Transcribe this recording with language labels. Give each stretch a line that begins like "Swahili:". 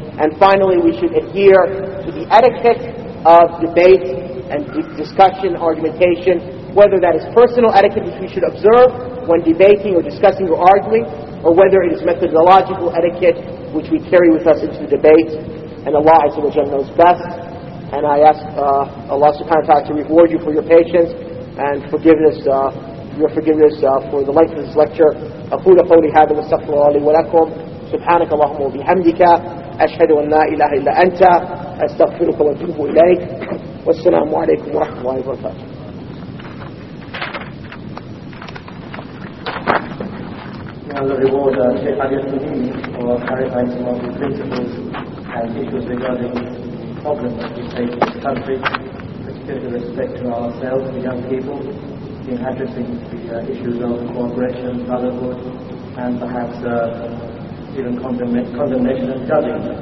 English: And finally, we should adhere to the etiquette of debate and discussion, argumentation, whether that is personal etiquette which we should observe when debating or discussing or arguing, or whether it is methodological etiquette which we carry with us into the debate. And Allah Azza wa Jalla knows best. And I ask Allah subhanahu wa ta'ala to reward you for your patience and forgiveness, your forgiveness for the length of this lecture.
Arabic: أقول قولي هذا واستغفر الله لي ولكم سبحانك اللهم وبحمدك أشهد أن لا إله إلا أنت أستغفرك وأتوب إليك والسلام عليكم ورحمة الله وبركاته.
English: The reward Sheikh Ali Al-Muhimi for clarifying some of the principles and issues regarding the problems that we face in the country, particularly with respect to ourselves, the young people, in addressing the issues of cooperation, brotherhood, and perhaps even condemnation and judging.